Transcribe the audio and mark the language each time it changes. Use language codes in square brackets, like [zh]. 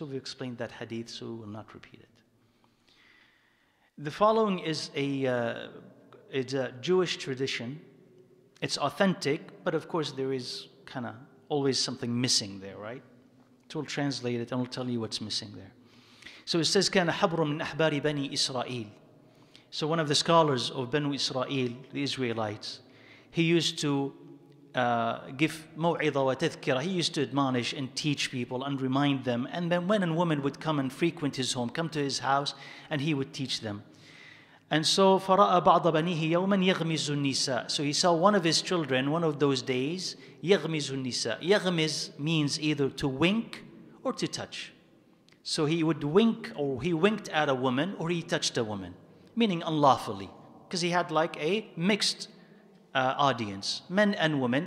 [en] So we've explained that hadith, so we will not repeat it. The following is a Jewish tradition. It's authentic, but of course there is kind of always something missing there, right? So we'll translate it and we'll tell you what's missing there. So it says, [ar] كان حبر من أحبار بني إسرائيل. [en] So one of the scholars of Banu Israel, the Israelites, he used to give [ar] maw'idha wa tathkira. [en] He used to admonish and teach people and remind them. And then men and women would come and frequent his home, come to his house, and he would teach them. And so [ar] فَرَأَ بَعْضَ بَنِيهِ يَوْمًا يَغْمِزُ النِّسَاءِ. [en] So he saw one of his children, one of those days, [ar] يَغْمِزُ النِّسَاءِ. [en] يَغْمِز means either to wink or to touch. So he would wink, or he winked at a woman, or he touched a woman, meaning unlawfully, because he had like a mixed audience, men and women.